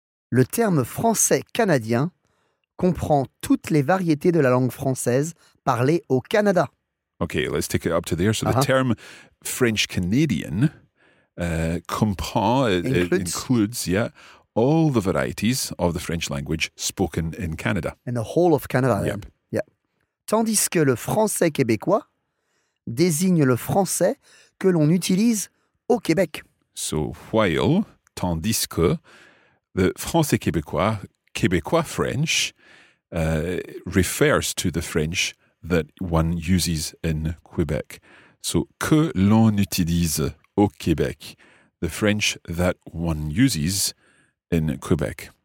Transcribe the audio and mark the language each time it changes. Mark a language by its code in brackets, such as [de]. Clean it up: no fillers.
[fr] Le terme français-canadien comprend toutes les variétés de la langue française parlée au Canada. [en] Okay, let's take it up to there. So the term French-Canadian includes all the varieties of the French language spoken in Canada. In the whole of Canada. Yep. Yeah. [fr] Tandis que le français-québécois désigne le français que l'on utilise au Québec. [en] So while, tandis que, the français-québécois, Québécois French, refers to the French that one uses in Quebec. So, [fr] que l'on utilise au Québec, [en] the French that one uses in Quebec.